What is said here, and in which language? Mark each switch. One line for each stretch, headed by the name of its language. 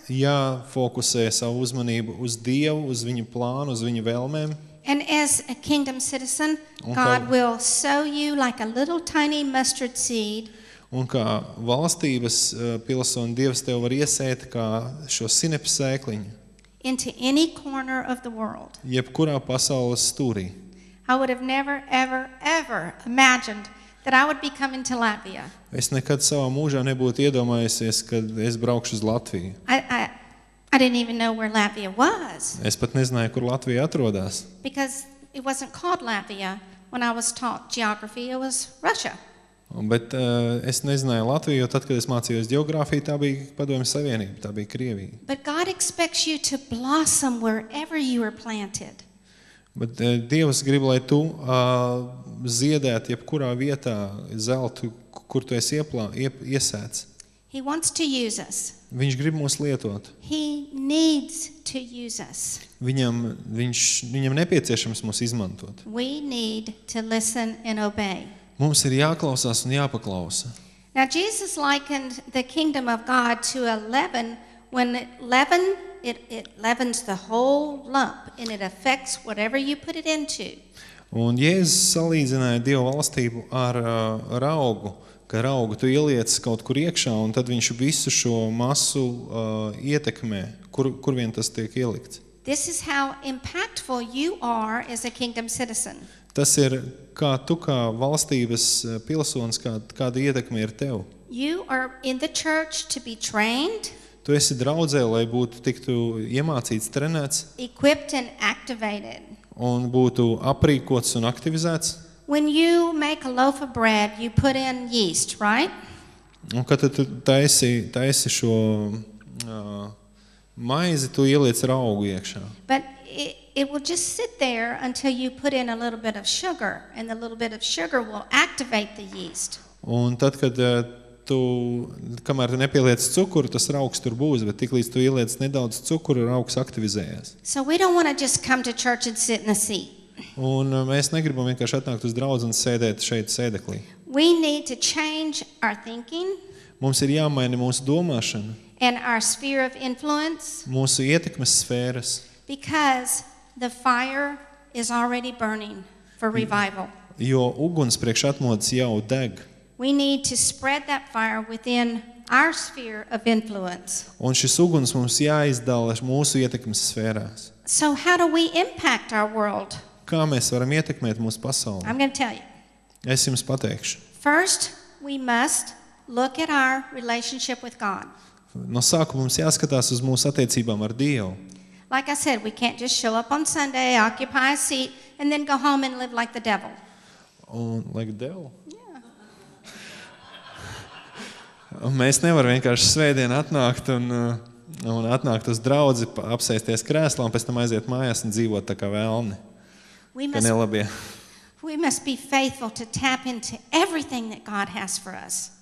Latvian: Jā, fokusē savu uzmanību uz Dievu, uz viņu plānu, uz viņu vēlmēm.
English: And as a kingdom citizen, God will sow you like a little tiny mustard seed.
Latvian: Un kā valstības pilsoni, Dievs tev var iesēt kā šo sinepes sēkliņu.
English: Into any corner of the world.
Latvian: Jebkurā pasaules stūrī.
English: I would have never, ever, ever imagined that I would be coming to Latvia.
Latvian: Es nekad savā mūžā nebūtu iedomājusies, kad es braukšu uz Latviju.
English: I didn't even know where Latvia was.
Latvian: Es pat nezināju, kur Latvija atrodas.
English: Because it wasn't called Latvia when I was taught geography, it was Russia.
Latvian: Bet es nezināju Latviju, jo tad, kad es mācījos geogrāfiju, tā bija Padomju Savienība, tā bija Krievija.
English: But God expects you to blossom wherever you are planted.
Latvian: Bet Dievs grib, lai tu ziedēt jebkurā vietā zeltu, kur tu esi iesēts.
English: He wants to use us.
Latvian: Viņš grib mūs lietot.
English: He needs to use us.
Latvian: Viņam nepieciešams mūs izmantot.
English: We need to listen and obey.
Latvian: Mums ir jāklausās un jāpaklausa.
English: Now Jesus likened the kingdom of God to a leaven when it leavens the whole lump and it affects whatever you put it into.
Latvian: Un Jēzus salīdzināja Dieva valstību ar raugu, ka raugu tu ieliec kaut kur iekšā un tad viņš visu šo masu ietekmē, kur vien tas tiek ielikts.
English: This is how impactful you are as a kingdom citizen.
Latvian: Tas ir kā tu kā valstības pilsonis, kāda ietekme ir tev.
English: You are in the church to be trained.
Latvian: Tu esi draudzē, lai būtu tiktu iemācīts, trenēts.
English: Equipped and activated.
Latvian: Un būtu aprīkots un aktivizēts.
English: When you make a loaf of bread, you put in yeast, right?
Latvian: Un kad tu taisi šo maizi, tu ieliec raugu iekšā.
English: But it will just sit there until you put in a little bit of sugar, and the little bit of sugar will activate the yeast.
Latvian: Un tad, kad tu, kamēr tu nepieliec cukuru, tas raugs tur būs, bet tiklīdz tu ieliec nedaudz cukuru, raugs aktivizējas.
English: So we don't want to just come to church and sit in the seat.
Latvian: Un mēs negribam vienkārši atnākt uz draudzi un sēdēt šeit sēdeklī.
English: We need to change our thinking.
Latvian: Mums ir jāmaina mūsu domāšana.
English: And our sphere of influence.
Latvian: Mūsu ietekmes sfēras.
English: Because the fire is already burning for revival.
Latvian: Jo uguns priekš atmodas jau deg.
English: We need to spread that fire within our sphere of influence.
Latvian: Un šis uguns mums jāizdala mūsu ietekmes sfērās.
English: So how do we impact our world?
Latvian: Kā mēs varam ietekmēt mūsu pasauli?
English: I'm going to tell you.
Latvian: Es jums pateikšu.
English: First, we must look at our relationship with God.
Latvian: No sākuma mums jāskatās uz mūsu attiecībām ar Dievu.
English: Like I said, we can't just show up on Sunday, occupy a seat, and then go home and live like the devil. Like the devil? Yeah.
Latvian: Mēs nevaram vienkārši svētdien atnākt un atnākt uz draudzi, apsēsties krēslā un pēc tam aiziet mājās un dzīvot tā kā vēlni.
English: We must be faithful to tap into everything that God has for us.